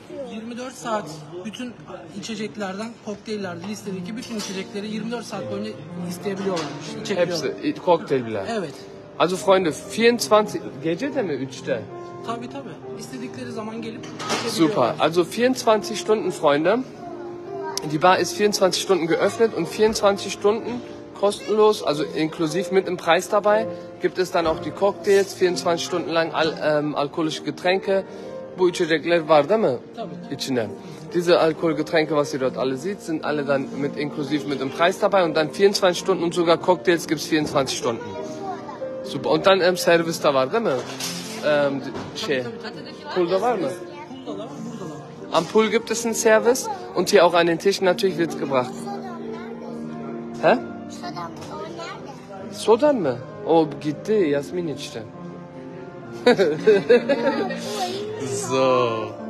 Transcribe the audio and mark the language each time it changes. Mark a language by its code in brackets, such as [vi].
[tr] 24 saat bütün içeceklerden, kokteyllerden listedeki bütün içecekleri 24 saat boyunca isteyebiliyorlarmış. Hepsi, kokteyl bile. Evet. [de] Also Freunde, [tr] 24 gece de mi 3'te? Tabii. İstedikleri zaman gelip içebiliyorlar. [de] Super. Also 24 Stunden, Freunde. Die Bar ist 24 Stunden geöffnet und 24 Stunden kostenlos, also inklusiv mit dem Preis dabei, gibt es dann auch die Cocktails, 24 Stunden lang alkoholische Getränke. [tr] Bu içecekler var değil mi? Tabii. İçinde. [de] Diese Alkoholgetränke, was ihr dort alle seht, sind alle dann mit inklusiv mit dem Preis dabei. Und dann 24 Stunden und sogar Cocktails gibt es 24 Stunden. Super. Und dann [tr] Service da var değil mi? Pool da var mı? [de] Am Pool gibt es einen Service und hier auch an den Tischen natürlich wird es gebracht. [tr] Hä? Sodan mı? O gitti, Yasmin içti. [de] So.